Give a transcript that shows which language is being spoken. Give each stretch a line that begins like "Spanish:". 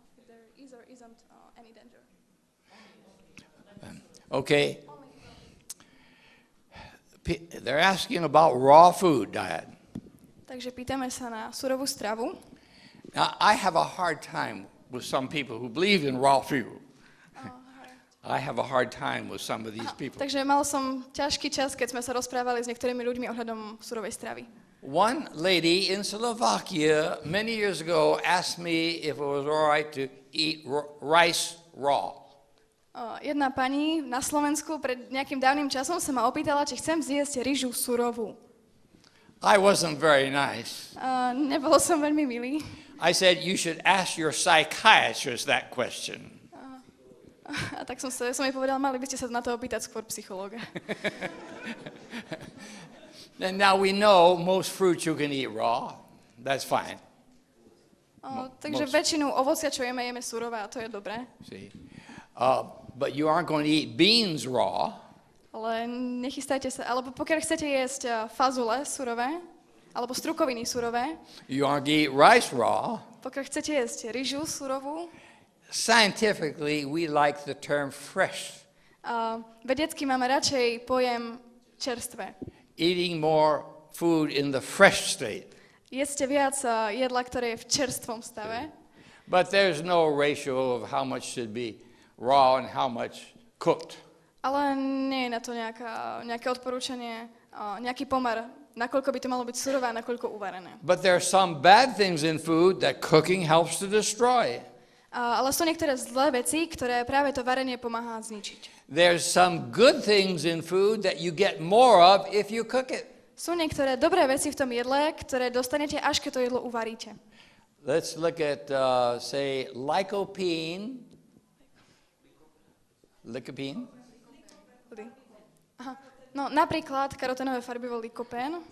English: There is or isn't any danger. Okay. They're asking about raw food diet.
Slovak: Takže pýtame sa na surovú stravu.
English: Now, I have a hard time with some people who believe in raw food. I have a hard time with some of these people.
Slovak: Takže mal som ťažký čas, keď sme sa rozprávali s niektorými ľuďmi ohľadom surovej stravy.
English: One lady in Slovakia many years ago asked me if it was all right to eat rice raw.
Slovak: Jedna pani na Slovensku pred nejakým dávnym časom sa ma opýtala, či chcem zjesť rýžu surovú.
English: I wasn't very nice.
Slovak: Nebol som veľmi milý.
English: I said you should ask your psychiatrist that question.
Slovak: A tak som jej povedal, mali by ste sa na to opýtať skôr psychológa.
English: And now we know most fruits you can eat raw. That's fine.
Slovak: Takže väčšinu ovocia, čo jeme, jeme surové, a to je dobré.
English: See. But you aren't going to eat beans raw.
Slovak: Ale nechystajte sa, alebo pokiaľ chcete jesť fazule surové, alebo strukoviny surové.
English: You want to eat rice raw.
Slovak: Pokiaľ chcete jesť rýžu surovú.
English: Scientifically we like the term fresh.
Slovak: Vedecky máme radšej pojem čerstvé.
English: Eating more food in the fresh state.
Slovak: Jeste viac jedla, ktoré je v čerstvom stave.
English: But there's no ratio of how much should be raw and how much cooked.
Slovak: Ale nie je na to nejaké odporúčanie, nejaký pomer, nakoľko by to malo byť surové a nakoľko uvarené.
English: But there are some bad things in food that cooking helps to destroy.
Slovak: Ale sú niektoré zlé veci, ktoré práve to varenie pomáha zničiť.
English: There's some good things in food that you get more of if you cook it.
Slovak: Sú niektoré dobré veci v tom jedle, ktoré dostanete až keď to jedlo uvaríte.
English: Let's look at say lycopene. Lycopene.
Slovak: No, napríklad karotenové farbivo lycopen.